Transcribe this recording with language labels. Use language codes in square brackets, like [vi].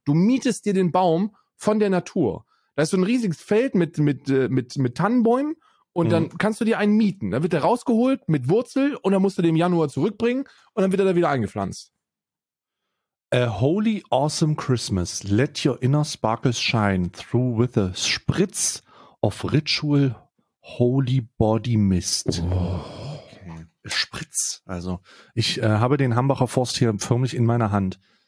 [de] Du mietest dir den Baum von der Natur. Da ist so ein riesiges Feld mit Tannenbäumen und dann kannst du dir einen mieten. Dann wird der rausgeholt mit Wurzel und dann musst du den im Januar zurückbringen und dann wird er da wieder eingepflanzt. [en] A holy awesome Christmas. Let your inner sparkles shine through with a spritz of ritual holy body mist. Spritz. [de] Also, ich habe den Hambacher Forst hier förmlich in meiner Hand.